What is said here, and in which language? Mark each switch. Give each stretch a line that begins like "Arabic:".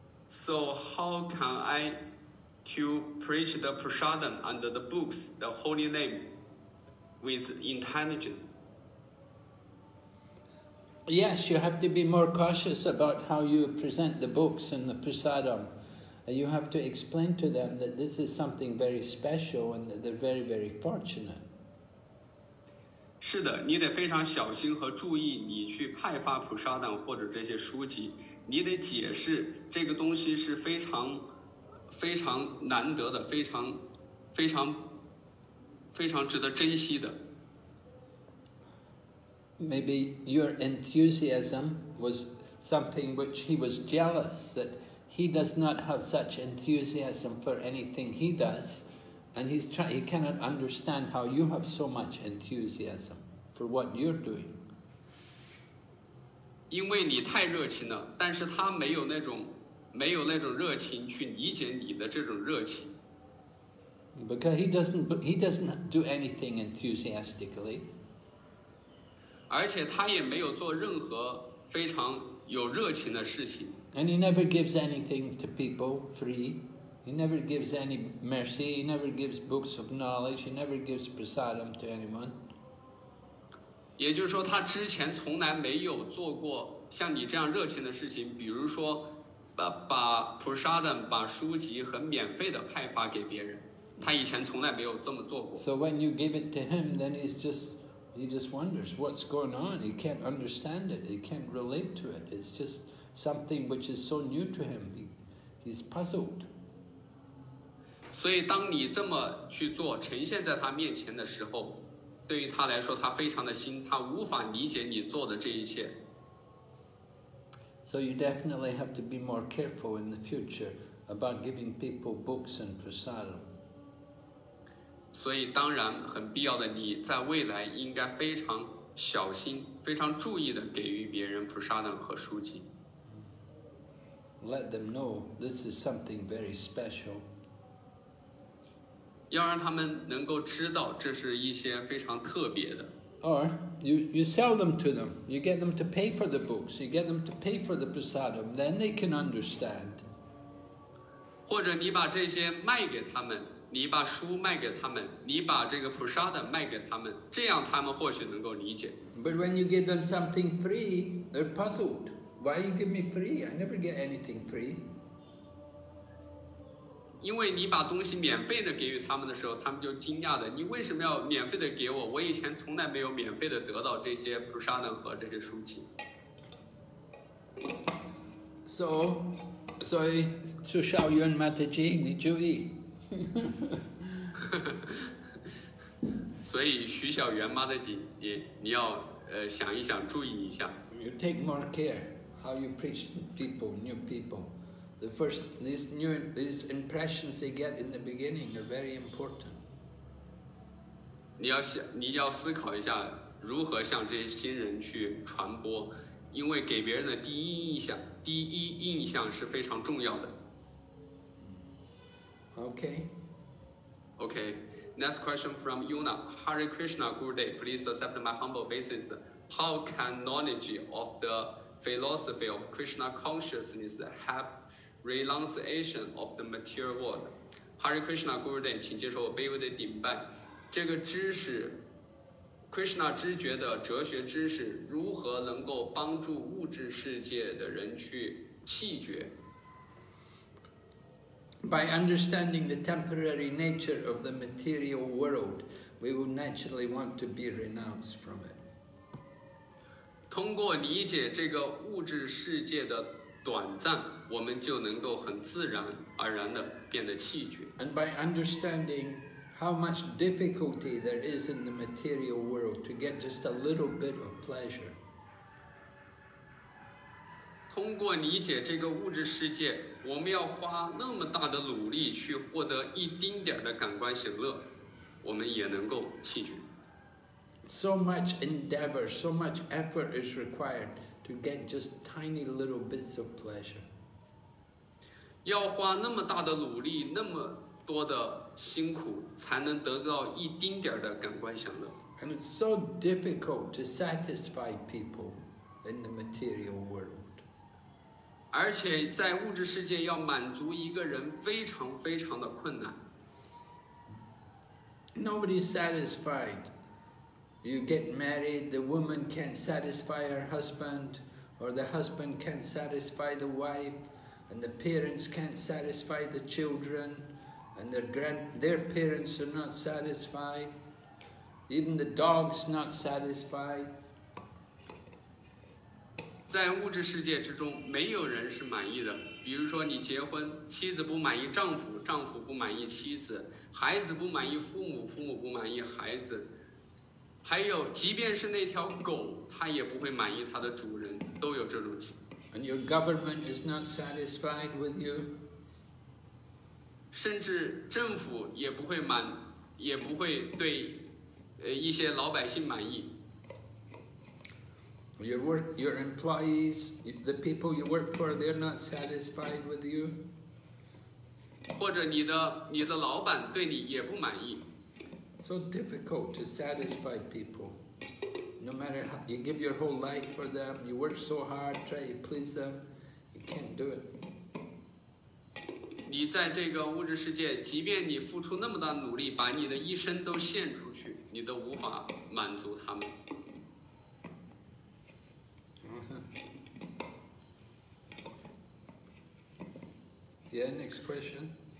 English: So how can I to preach the prasadam and the books, the holy name, with intelligence? Yes, you have to be more cautious about how you present the books and the prasadam. You have to explain to them that this is something very special and that they're very, very fortunate.
Chinese: 是的，你得非常小心和注意你去派发普沙丹或者这些书籍。你得解释这个东西是非常非常难得的，非常非常非常值得珍惜的。
English: Maybe your enthusiasm was something which he was jealous that he does not have such enthusiasm for anything he does, and he cannot understand how you have so much enthusiasm for what you're doing.
Chinese: 因为你太热情了，但是他没有那种热情去理解你的这种热情。
English: Because he doesn't do anything enthusiastically.
Chinese: 而且他也没有做任何非常有热情的事情。
English: And he never gives anything to people free. He never gives any mercy. He never gives books of knowledge. He never gives prasadam to anyone.
Chinese: 也就是说，他之前从来没有做过像你这样热情的事情，比如说把prasadam、把书籍很免费的派发给别人。他以前从来没有这么做过。
English: So when you give it to him, then he just wonders what's going on. He can't understand it. He can't relate to it. It's just something which is so new to him. He's puzzled.
Chinese: 所以当你这么去做呈现在他面前的时候，对于他来说他非常的新，他无法理解你做的这一切。
English: So you definitely have to be more careful in the future about giving people books and prasadam.
Chinese: 所以当然很必要的，你在未来应该非常小心，非常注意的给予别人 prasadam 和书籍。
English: Let them know this is something very special.
Chinese: 要让他们能够知道这是一些非常特别的。
English: Or you sell them to them. You get them to pay for the books. You get them to pay for the prasadam. Then they can understand.
Chinese: 或者你把这些卖给他们，你把书卖给他们，你把这个 prasadam 卖给他们，这样他们或许能够理解。
English: But when you give them something free, they're puzzled. Why you give me free? I never get anything free.
Chinese: 因为你把东西免费的给予他们的时候，他们就惊讶的，你为什么要免费的给我？我以前从来没有免费的得到这些 prasadam 和这些书籍。
English: So shall you and Mataji need you eat?
Chinese: 所以徐小媛妈的紧，你要想一想，注意一下。
English: You take more care how you preach to people, new people. The first these impressions they get in the beginning are very important.
Chinese: 你要思考一下如何向这些新人去传播，因为给别人的第一印象是非常重要的。
English: Okay. Next question from Yuna. Hare Krishna, good day. Please accept my humble basis. How can knowledge of the philosophy of Krishna consciousness help renunciation of the material world? Hare Krishna, good day.
Chinese: 请接受我卑微的顶拜。这个知识 ，Krishna 知觉的哲学知识，如何能够帮助物质世界的人去弃绝？
English: By understanding the temporary nature of the material world, we will naturally want to be renounced from it.
Chinese: 通过理解这个物质世界的短暂，我们就能够很自然而然地变得弃绝。
English: And by understanding how much difficulty there is in the material world to get just a little bit of pleasure.
Chinese: 通过理解这个物质世界，我们要花那么大的努力去获得一丁点的感官享乐，我们也能够弃绝。
English: So much endeavor, so much effort is required to get just tiny little bits of pleasure.
Chinese: 要花那么大的努力，那么多的辛苦，才能得到一丁点的感官享乐。
English: And it's so difficult to satisfy people in the material world.
Chinese: 而且在物质世界要满足一个人非常非常的困难。
English: Nobody is satisfied. You get married, the woman can't satisfy her husband, or the husband can't satisfy the wife, and the parents can't satisfy the children, and their parents are not satisfied. Even the dog's not satisfied.
Chinese: 在物质世界之中，没有人是满意的。比如说，你结婚，妻子不满意丈夫，丈夫不满意妻子，孩子不满意父母，父母不满意孩子，还有，即便是那条狗，它也不会满意它的主人，都有这种情况。
English: And your government is not satisfied with you.
Chinese: 甚至政府也不会对一些老百姓满意。
English: Your employees, the people you work for, they're not satisfied with you.
Chinese: 或者你的老板对你也不满意。
English: So difficult to satisfy people. No matter how you give your whole life for them, you work so hard, try to please them, you can't do it.
Chinese: 你在这个物质世界，即便你付出那么大努力，把你的一生都献出去，你都无法满足他们。
English: Yeah, next question.